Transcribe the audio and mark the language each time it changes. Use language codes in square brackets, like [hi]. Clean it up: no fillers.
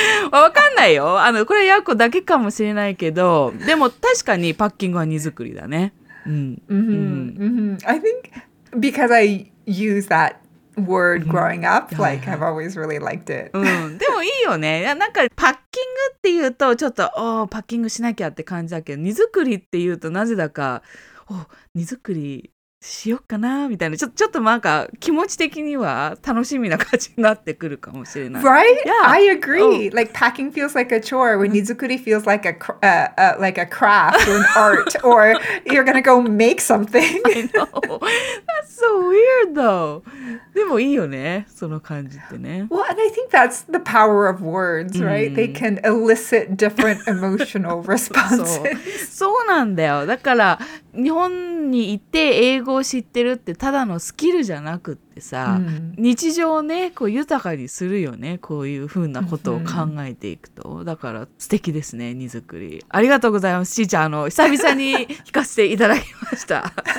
[ja] わかんないよこれヤコだけかもしれないけどでも確かにパッキングは荷造りだね、うん mm-hmm. Mm-hmm. [en] I think because I use that word growing up like I've always really liked it 、 [ja] うん、でもいいよねなんかパッキングっていうとちょっとおパッキングしなきゃって感じだけど荷造りっていうとなぜだかお荷造りしよっかなみたいなちょっとなんか気持ち的には楽しみな感じになってくるかもしれない [en] Right?、Yeah. I agree.、Oh. Like packing feels like a chore when 荷造り feels like a craft or an art or you're gonna go make something. I know. That's so weird though. [ja] でもいいよね。その感じってね。 [en] Well, and I think that's the power of words, right?、Mm. They can elicit different emotional responses. [ja] そうなんだよ。だから日本にいて英語を知ってるってただのスキルじゃなくってさ、うん、日常をねこう豊かにするよねこういう風なことを考えていくと、うん、だから素敵ですね荷造りありがとうございますちーちゃん久々に聞かせていただきました